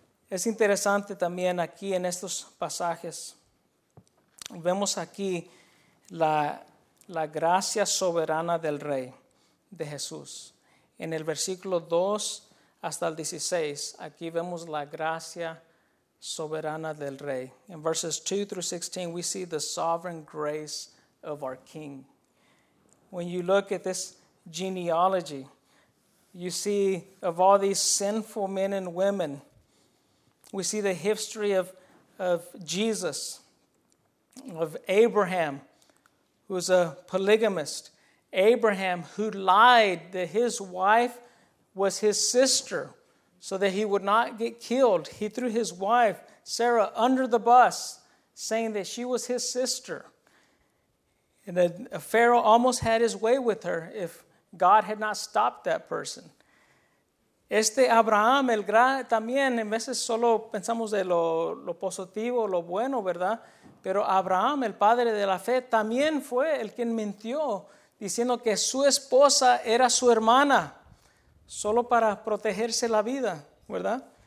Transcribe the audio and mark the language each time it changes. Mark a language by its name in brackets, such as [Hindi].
[Spanish] Es interesante también aquí en estos pasajes, vemos aquí la gracia soberana del Rey, de Jesús. En el versículo 2 hasta el 16, aquí vemos la gracia soberana del Rey. [English] In verses 2 through 16, we see the sovereign grace of our King. When you look at this genealogy, You see, of all these sinful men and women, we see the history of Jesus, of Abraham, who was a polygamist. Abraham, who lied that his wife was his sister so that he would not get killed. He threw his wife, Sarah, under the bus, saying that she was his sister. And then Pharaoh almost had his way with her if God had not stopped that person. [Spanish] Este Abraham, el gran, también, en veces solo pensamos de lo positivo, lo bueno, ¿verdad? Pero Abraham, el padre de la fe, también fue el quien mintió, diciendo que su esposa era su hermana, solo para protegerse la vida, ¿verdad?